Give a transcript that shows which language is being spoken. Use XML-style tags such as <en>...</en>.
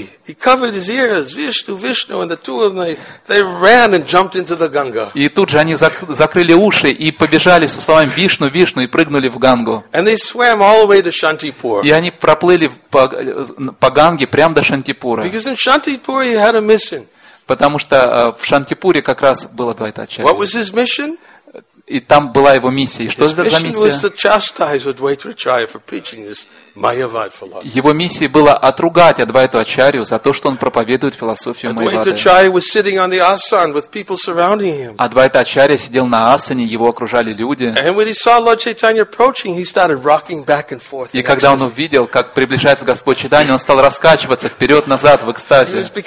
<en>He covered his ears, Vishnu, Vishnu, and the two of them, they ran and jumped into the Ganga.</en> <ru>И тут же они закрыли уши и побежали со словами Вишну, Вишну, и прыгнули в Гангу.</ru> <en>And they swam all the way to Shantipur.</en> <ru>И они проплыли по Ганге прямо до Шантипура.</ru> <en>Because in Shantipur he had a mission.</en> <ru>Потому что в Шантипуре как раз было два этапа.</ru> <en>What was his mission?</en> <ru>И там была его миссия. И что это за миссия?</ru> <en>His mission was to chastise Advaitacharya for preaching this.</en> <ru>Его миссией было отругать Адвайту Ачарью за то, что он проповедует философию Майявады. Адвайта Ачарья сидел на асане, его окружали люди. И когда он увидел, как приближается Господь Чайтанья, он стал раскачиваться вперед-назад в экстазе.</ru>